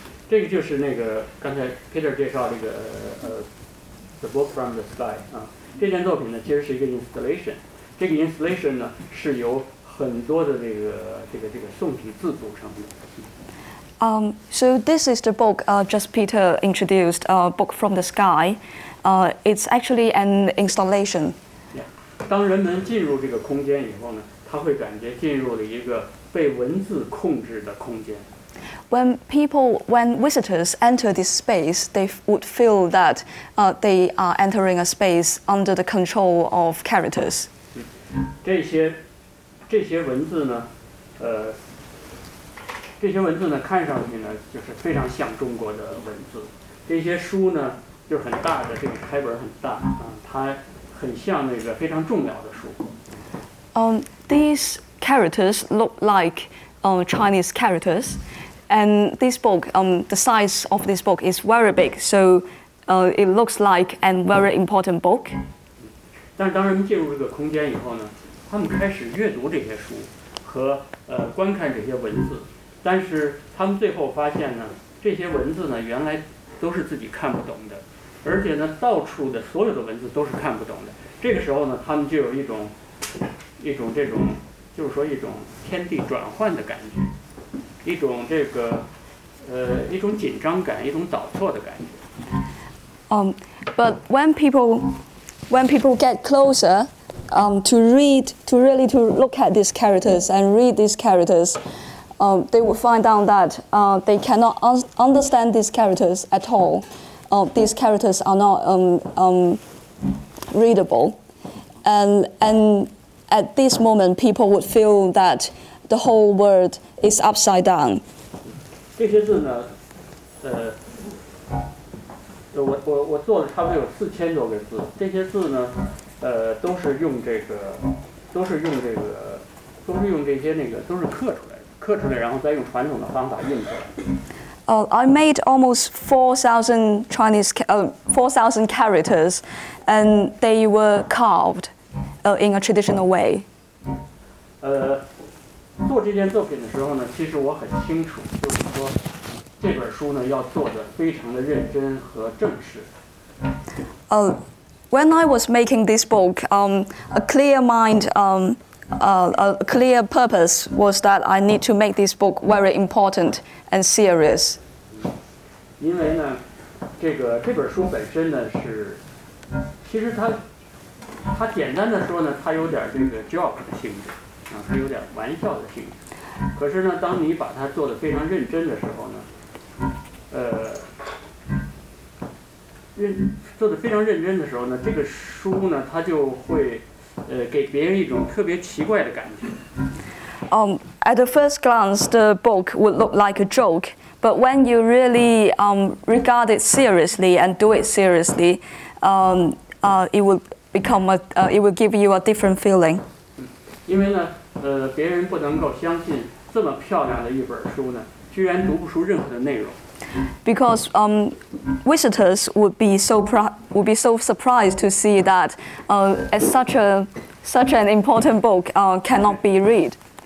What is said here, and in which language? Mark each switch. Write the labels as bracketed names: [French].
[Chinese] 这个就是那个刚才 Peter 介绍这个The Book from the Sky 啊，这件作品呢其实是一个 installation. 这个 installation 呢是由很多的这个宋体字组成的。 [English] So this is the book just Peter introduced, Book from the Sky. It's actually an installation. Yeah. [Chinese] 当人们进入这个空间以后呢，他会感觉进入了一个被文字控制的空间。 [English] When visitors enter this space, they would feel that they are entering a space under the control of characters. [Chinese] 这些文字呢，这些文字呢，看上去呢，就是非常像中国的文字。这些书呢，就是很大的，这个开本很大啊，它很像那个非常重要的书。 [English] These characters look like Chinese characters, and this book, the size of this book is very big, so it looks like a very important book. [Chinese] 但是当人们进入这个空间以后呢，他们开始阅读这些书和观看这些文字。但是他们最后发现呢，这些文字呢原来都是自己看不懂的，而且呢到处的所有的文字都是看不懂的。这个时候呢，他们就有一种这种，就是说一种天地转换的感觉，一种这个一种紧张感，一种倒错的感觉。 [English] But when people get closer, to look at these characters and read these characters. They will find out that they cannot understand these characters at all. These characters are not readable. And at this moment, people would feel that the whole world is upside down. [Chinese] 这些字呢，我做了差不多有4000多个字。这些字呢，都是刻出来，然后再用传统的方法印出来。 [English] I made almost 4,000 Chinese 4,000 characters, and they were carved in a traditional way. [Chinese] 做这件作品的时候呢，其实我很清楚，就是说这本书呢要做得非常的认真和正式。 [English] When I was making this book, a clear purpose was that I need to make this book very important and serious. [Chinese] 因为呢，这本书本身呢是，其实它它简单的说呢，它有点这个 joke 的性质，啊，它有点玩笑的性质。可是呢，当你把它做得非常认真的时候呢，做得非常认真的时候呢，这个书呢，它就会，给别人一种特别奇怪的感觉。 [English] At the first glance, the book would look like a joke, but when you really regard it seriously and do it seriously, it will give you a different feeling. [Chinese] 因为呢，别人不能够相信这么漂亮的一本书呢，居然读不出任何的内容。 [English] Because visitors would be so surprised to see that as such an important book cannot be read.